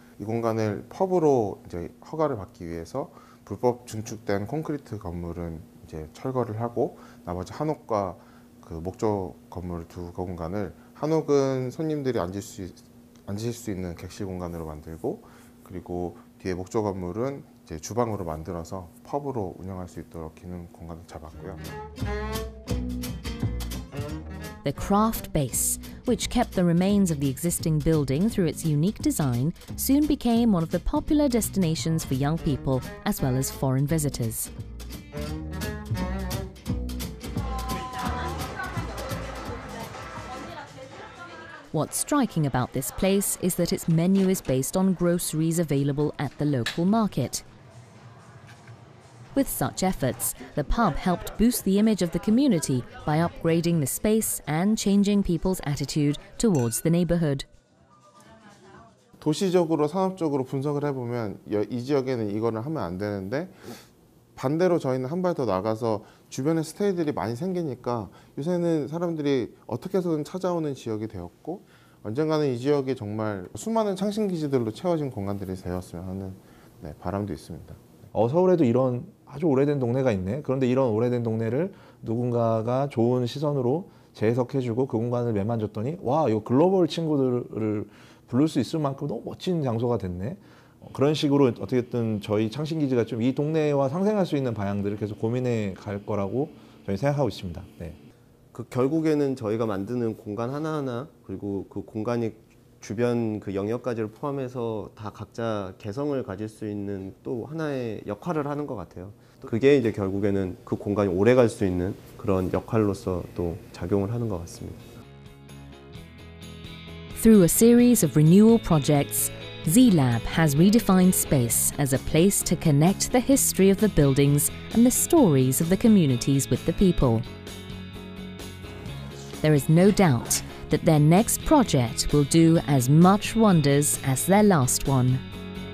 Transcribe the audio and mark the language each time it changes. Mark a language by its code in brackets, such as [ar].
[ko] 이 공간을 펍으로 이제 허가를 받기 위해서 불법 증축된 콘크리트 건물은 이제 철거를 하고 나머지 한옥과 그 목조 건물 두 공간을 한옥은 손님들이 앉으실 수 있는 객실 공간으로 만들고 그리고 뒤에 목조 건물은 이제 주방으로 만들어서 펍으로 운영할 수 있도록 기능 공간을 잡았고요. [en] The craft base, which kept the remains of the existing building through its unique design, soon became one of the popular destinations for young people as well as foreign visitors. What's striking about this place is that its menu is based on groceries available at the local market. With such efforts, the pub helped boost the image of the community by upgrading the space and changing people's attitude towards the neighborhood. [ko] 도시적으로 산업적으로 분석을 해보면 이 지역에는 이거를 하면 안 되는데 반대로 저희는 한 발 더 나가서 주변에 스테이들이 많이 생기니까 요새는 사람들이 어떻게 해서든 찾아오는 지역이 되었고 언젠가는 이 지역이 정말 수많은 창신기지들로 채워진 공간들이 되었으면 하는 네, 바람도 있습니다. 서울에도 이런 아주 오래된 동네가 있네. 그런데 이런 오래된 동네를 누군가가 좋은 시선으로 재해석해주고 그 공간을 매만졌더니 와, 이거 글로벌 친구들을 부를 수 있을 만큼 너무 멋진 장소가 됐네. 그런 식으로 어떻게든 저희 창신기지가 좀 이 동네와 상생할 수 있는 방향들을 계속 고민해 갈 거라고 저희 생각하고 있습니다. 네. 그 결국에는 저희가 만드는 공간 하나하나 그리고 그 공간이 주변 그 영역까지를 포함해서 다 각자 개성을 가질 수 있는 또 하나의 역할을 하는 것 같아요. 그게 이제 결국에는 그 공간이 오래 갈 수 있는 그런 역할로서 또 작용을 하는 것 같습니다. [en] Through a series of renewal projects, Z-Lab has redefined space as a place to connect the history of the buildings and the stories of the communities with the people. There is no doubt that their next project will do as much wonders as their last one.